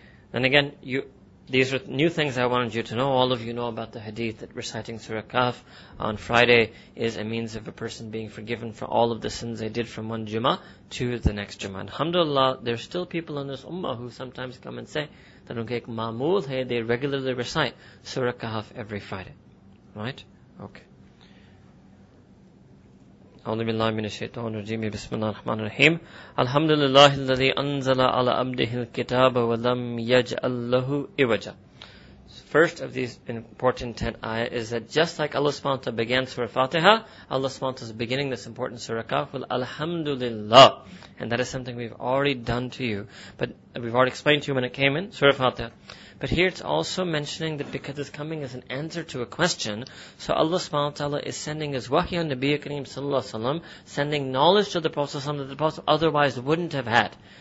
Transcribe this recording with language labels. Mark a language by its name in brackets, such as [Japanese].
[English] Then again, these are new things I wanted you to know. All of you know about the hadith that reciting Surah Kahf on Friday is a means of a person being forgiven for all of the sins they did from one Jummah to the next Jummah. And alhamdulillah, there's still people in this Ummah who sometimes come and say that [Urdu] unke ek maamool hai, [English] they regularly recite Surah Kahf every Friday. Right? Okay. [Arabic] أعوذ بالله من الشيطان الرجيم بسم الله الرحمن الرحيم الحمد لله الذي أنزل على عبده الكتاب ولم يجعل له عوجا. [English] First of these important 10 ayah is that just like Allah subhanahu wa ta'ala began Surah Fatiha, Allah subhanahu wa ta'ala is beginning this important Surah Kahf with Alhamdulillah. And that is something we've already done to you. But we've already explained to you when it came in, Surah Fatiha. But here it's also mentioning that because it's coming as an answer to a question, so Allah subhanahu wa ta'ala is sending his wahi on Nabiya Kareem sallallahu alayhi wa sallam, sending knowledge to the Prophet that the Prophet otherwise wouldn't have had.